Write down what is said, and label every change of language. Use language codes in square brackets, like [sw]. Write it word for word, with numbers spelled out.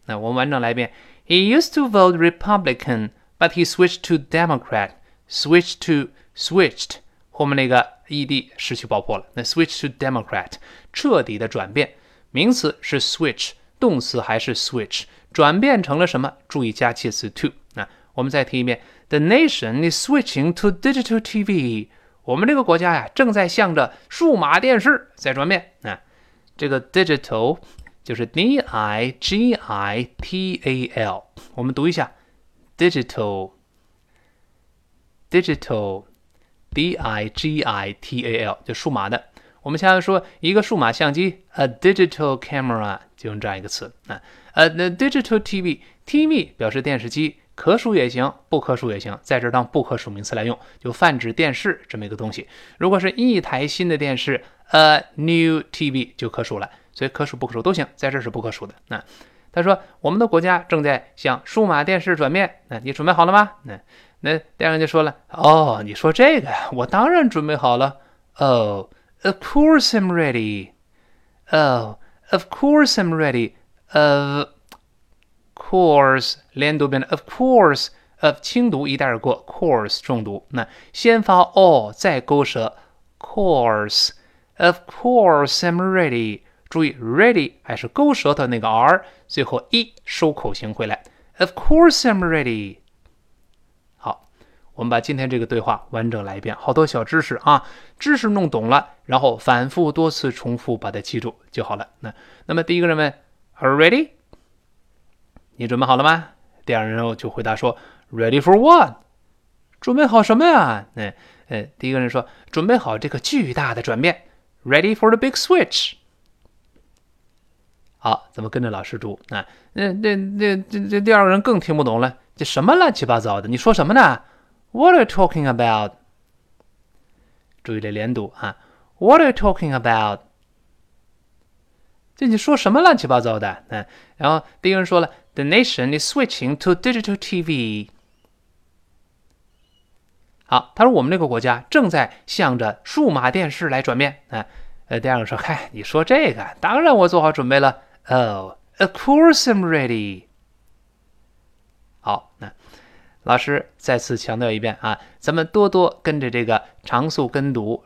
[zh] 那我们完整来一遍 He used to vote Republican but he switched to Democrat， Switched to Switched 后面那个 E D 失去爆破了，那 Switched to Democrat 彻底的转变，名词是 Switch，动词还是 switch， 转变成了什么？注意加介词 to。那我们再提一遍 The nation is switching to digital T V，我们这个国家呀，正在向着数码电视在转变。那这个 digital 就是 D I G I T A L， 我们读一下 digital digital D I G I T A L 就数码的。我们现在说一个数码相机 a digital camera，就用这样一个词。 a digital T V， T V 表示电视机，可数也行，不可数也行，在这当不可数名词来用，就泛指电视这么一个东西。如果是一台新的电视 a new T V 就可数了，所以可数不可数都行，在这是不可数的。那他说我们的国家正在向数码电视转变，那你准备好了吗？那那第二人就说了，哦，你说这个我当然准备好了，哦 Of course I'm ready. [en] Oh, of course I'm ready. [zh] Of course 连读变成 of course of 轻读一带而过 course 重读，那先发 all 再勾舌 course of course I'm ready，注意 ready 还是勾舌头那个 r， 最后 e 收口型回来 of course I'm ready。我们把今天这个对话完整来一遍，好多小知识啊，知识弄懂了，然后反复多次重复把它记住就好了。那那么第一个人问 Are you ready？你准备好了吗？第二人就回答说 Ready for what？准备好什么呀？嗯嗯，第一个人说准备好这个巨大的转变 Ready for the big switch 好，咱们跟着老师读。那那那那这第二个人更听不懂了，这什么乱七八糟的？你说什么呢 ？ What are you talking about？注意这连读啊 ！ What are you talking about？这你说什么乱七八糟的？嗯，然后第一个人说了 ， The nation is switching to digital T V。好，他说我们这个国家正在向着数码电视来转变。嗯，呃，第二个说，嗨，你说这个，当然我做好准备了。 [en] Oh, of course I'm ready. [zh] 好，那老师再次强调一遍啊，咱们多多跟着这个常速跟读。